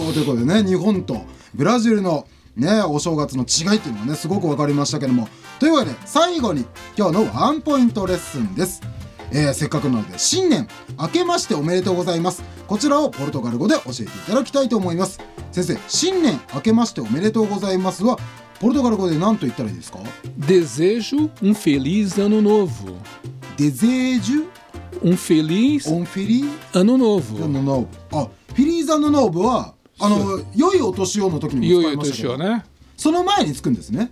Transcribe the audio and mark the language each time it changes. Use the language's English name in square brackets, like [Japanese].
[Japanese] ということでね、日本とブラジルの、ね、お正月の違いっていうのはね、すごく分かりましたけども、というわけで最後に今日のワンポイントレッスンです。せっかくなので新年明けましておめでとうございます、こちらをポルトガル語で教えていただきたいと思います。先生、新年明けましておめでとうございますはポルトガル語で何と言ったらいいですか。 [Portuguese] Desejo um feliz ano novo. Desejo um feliz ano novo. Ano novo. [Japanese] あ、 [Portuguese] feliz ano novo [Japanese] は良いお年をの時にも使いますよ。良いお年をね、その前につくんですね。